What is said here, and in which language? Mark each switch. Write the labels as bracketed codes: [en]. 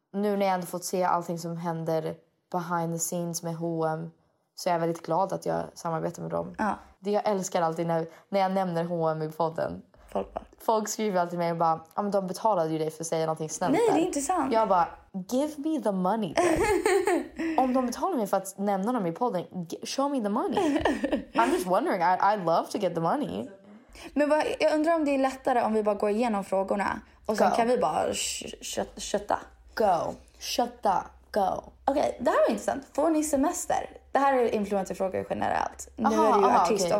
[sv] Nu när jag ändå fått se allting som händer [en] behind the scenes [sv] med H&M så är jag väldigt glad att jag samarbetar med dem. Ja. Det jag älskar alltid när jag nämner H&M i podden. Folk skriver alltid mig och bara, ja, men de betalade ju dig för att säga någonting snällt. Nej, det är inte sant. Jag bara, [en] give me the money. [sv] Om de betalar mig för att nämna dem i podden, [en] show me the money. I'm just wondering, I love to get the money. [sv] Men vad, jag undrar om det är lättare om vi bara går igenom frågorna. Och sen [en] go. [sv] Kan vi bara kötta. Go. Kötta. Go. Okej, okay, det här var intressant. Får ni semester? Det här är influencerfrågor generellt. Nu aha, är det ju aha, artist okay.